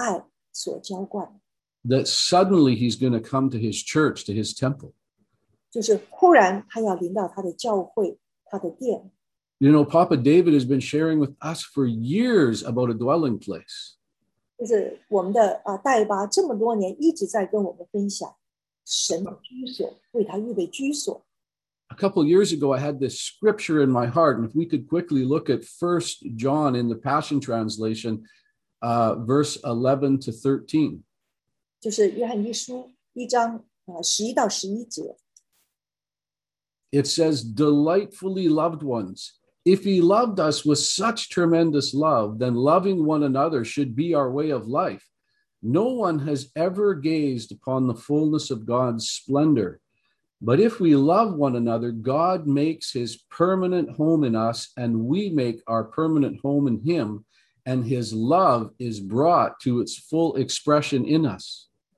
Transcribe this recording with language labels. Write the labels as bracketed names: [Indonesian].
[Chinese] 就是之前我们分享忽然这个字，我相信我们会忽然被神的爱所浇灌。That [English] suddenly he's going to come to his church, to his temple. [Chinese] 就是忽然他要临到他的教会，他的殿。 [English] You know, Papa David has been sharing with us for years about a dwelling place. [Chinese] 就是我们的代巴这么多年一直在跟我们分享神的居所，为他预备居所。 [English] A couple of years ago, I had this scripture in my heart, and if we could quickly look at 1 John in the Passion Translation, verse 11 to 13. [Chinese] 就是约翰一书一章11到11节。 [English] It says, delightfully loved ones, if he loved us with such tremendous love, then loving one another should be our way of life. No one has ever gazed upon the fullness of God's splendor. But if we love one another, God makes his permanent home in us, and we make our permanent home in him, and his love is brought to its full expression in us.